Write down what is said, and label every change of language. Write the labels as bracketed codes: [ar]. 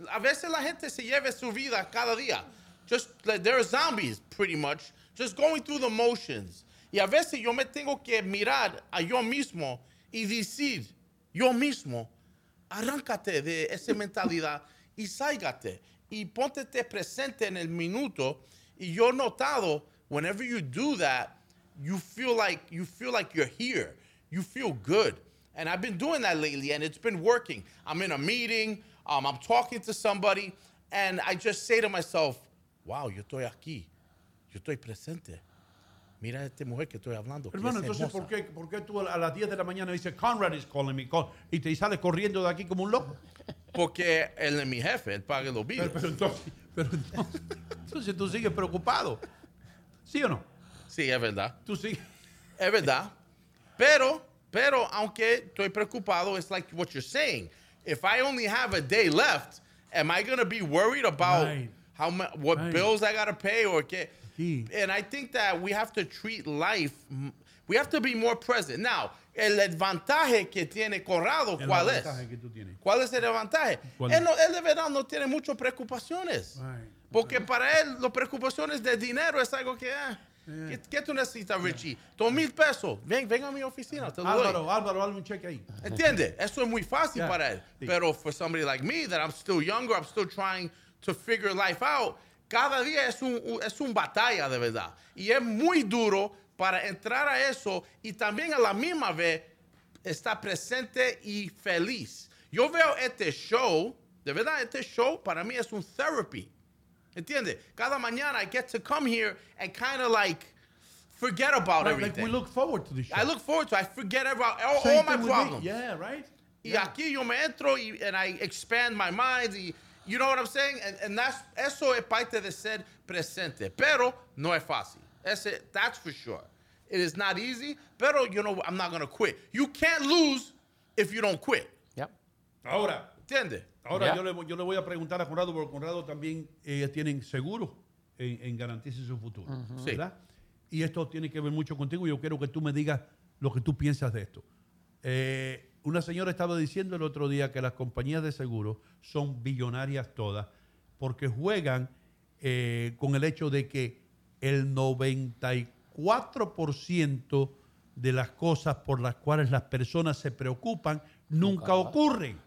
[es] A veces la gente se lleva su vida cada día. [en] Just like they're zombies, pretty much. Just going through the motions. [es] Y a veces yo me tengo que mirar a yo mismo y decir, yo mismo, arráncate de esa mentalidad y sálgate. Y póntete presente en el minuto. Y yo he notado, [en] whenever you do that, you feel like you're here. You feel good. And I've been doing that lately, and it's been working. I'm in a meeting. I'm talking to somebody. And I just say to myself, wow, [es] yo estoy aquí. Yo estoy presente. Mira a esta mujer que estoy hablando. Hermano, entonces, ¿por qué tú a las 10 de la mañana dices, [en] Conrad is calling me, [es] y te sales corriendo de aquí como un loco? Porque él es mi jefe, él paga los billetes. Pero entonces tú sigues preocupado. ¿Sí o no? Sí, es verdad. Tú sigues. Es verdad. Pero, aunque estoy preocupado, [en] it's like what you're saying. If I only have a day left, am I going to be worried about bills I got to pay or qué? And I think that we have to treat life, we have to be more present. Now, [es] el avantaje que tiene Corrado, ¿cuál es? ¿Cuál es el avantaje? Él de verdad no tiene muchas preocupaciones. [en] Right. [es] Porque para él, las preocupaciones de dinero es algo que... ¿Qué tú necesitas, Richie? $2,000. Ven a mi oficina. Álvaro, hazme un cheque ahí. ¿Entiendes? Eso es muy fácil para él. Sí. [en] Pero for somebody like me, that I'm still younger, I'm still trying to figure life out, [es] cada día es un batalla de verdad. Y es muy duro para entrar a eso y también a la misma vez estar presente y feliz. Yo veo este show, de verdad, este show para mí es un therapy. ¿Entiendes? Cada mañana [en] I get to come here and kind of like forget about everything. Like we look forward to the show. I look forward to it. I forget about all my problems. Yeah, right? [es] Y aquí yo me entro [en] and I expand my mind. Y, you know what I'm saying? And [es] eso es parte de ser presente. Pero no es fácil. [en] That's for sure. It is not easy. [es] Pero, [en] you know, I'm not going to quit. You can't lose if you don't quit. Yep. [es] Ahora. ¿Entiendes? Ahora yo le voy a preguntar a Conrado, porque Conrado también tienen seguro en garantizar su futuro, uh-huh. ¿verdad? Sí. Y esto tiene que ver mucho contigo y yo quiero que tú me digas lo que tú piensas de esto. Una señora estaba diciendo el otro día que las compañías de seguro son billonarias todas porque juegan con el hecho de que el 94% de las cosas por las cuales las personas se preocupan nunca ocurren.